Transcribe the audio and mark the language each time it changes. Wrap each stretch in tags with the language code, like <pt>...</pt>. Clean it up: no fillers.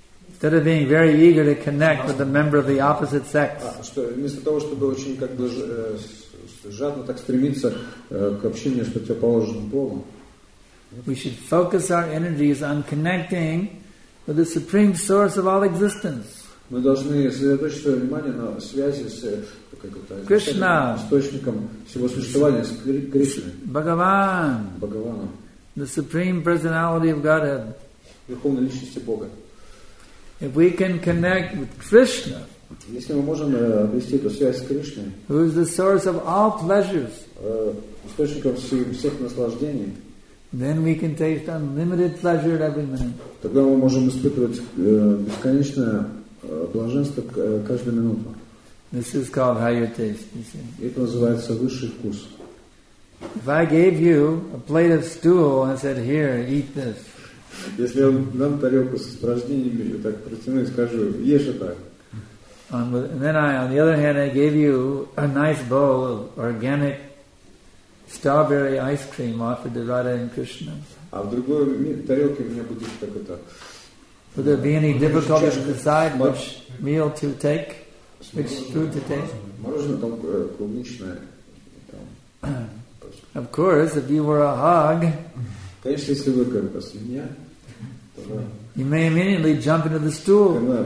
<en>Instead of being very eager to connect with a member of the opposite sex,</en> <ru>вместо того чтобы очень как бы жадно так стремиться к общению с противоположным полом,</ru> <en>we should focus our energies on connecting with the supreme source of all existence.</en> <ru>Мы должны сосредоточить свое внимание на связи с Кришна, источником всего существования, с Кришной, Бхагаван, Бхагаваном.</ru> <en>The Supreme Personality of Godhead.</en> <ru>Верховная личность Бога.</ru> <en>If we can connect with Krishna,</en> <ru>если мы можем обрести эту связь с Кришной,</ru> <en>who is the source of all pleasures,</en> <ru>источником всех наслаждений,</ru> <en>then we can taste unlimited pleasure every minute.</en> <ru>Тогда мы можем испытывать бесконечное блаженство каждую минуту.</ru> <en>This is called higher taste, you see.</en> <ru>Это называется высший вкус.</ru> <en>If I gave you a plate of stool and said, "Here, eat this,"</en> <ru>если я дам тарелку с упражнениями, я так протяну и скажу, ешь это.</ru> <en>On the other hand, I gave you a nice bowl of organic strawberry ice cream offered to Radha and Krishna.</en> <ru>А в другой тарелке у меня будет какой-то.</ru> <en>Would there be any difficulty to decide which meal to take, which food to take?</en> <ru>Мороженое там клубничное там.</ru> <en>Of course, if you were a hog, you may immediately jump into the stool.</en>